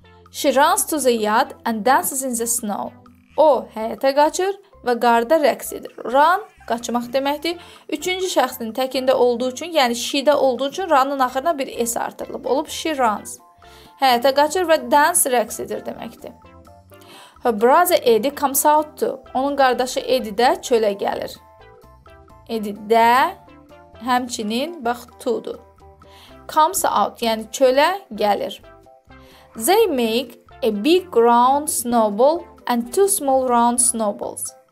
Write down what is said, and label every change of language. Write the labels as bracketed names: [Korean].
[English] She runs to the yard and dances in the snow. [Azerbaijani] O, həyətə qaçır və qarda rəqs edir. Run, qaçmaq deməkdir. Üçüncü şəxsinin təkində olduğu üçün, yəni she-də olduğu üçün run-ın axırına bir s artırılıb. Olub [English] she runs. [Azerbaijani] Həyətə qaçır və dance rəqs edir deməkdir. [English] Her brother Eddie comes out too. [Azerbaijani] Onun qardaşı Eddie də çölə gəlir. Eddie də həmçinin, bax, to-dur. Comes out, yəni çölə gəlir. [English] They make a big round snowball and two small round snowballs.